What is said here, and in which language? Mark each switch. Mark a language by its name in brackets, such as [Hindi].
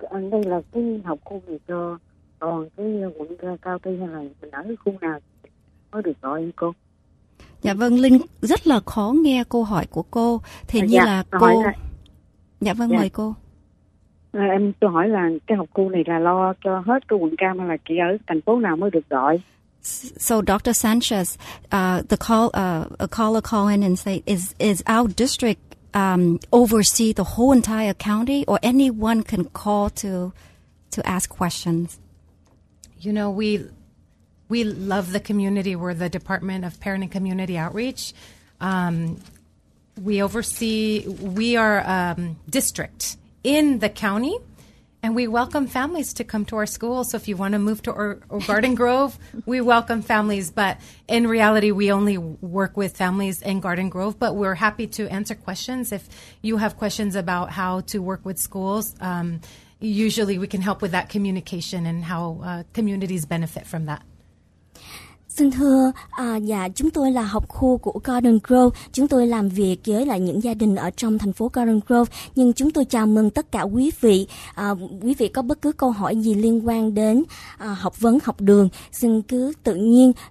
[Vietnamese] Đây là cái học khu gì cho còn cái quận Cao Tây hay là mình ở cái khu nào mới được gọi anh cô? Dạ vâng, Linh rất là khó nghe câu hỏi của cô. Thì như là cô... Dạ vâng, mời cô. Em tôi hỏi là cái học khu này là lo cho hết cái quận Cam hay là chỉ ở thành phố nào mới được gọi? [English] So Dr. Sanchez, a caller call in and say, is our district oversee the whole entire county or anyone can call to ask questions? You know, we love the community. We're the Department of Parent and Community Outreach. We oversee, we are a district in the county, and we welcome families to come to our school. So if you want to move to or Garden Grove, we welcome families. But in reality, we only work with families in Garden Grove. But we're happy to answer questions. If you have questions about how to work with schools, usually we can help with that communication and how communities benefit from that. [Vietnamese] Xin thưa, dạ chúng tôi là học khu của Garden Grove. Chúng tôi làm việc với lại những gia đình ở trong thành phố Garden Grove. Nhưng chúng tôi chào mừng tất cả quý vị. Quý vị có bất cứ câu hỏi gì liên quan đến học vấn, học đường, xin cứ tự nhiên.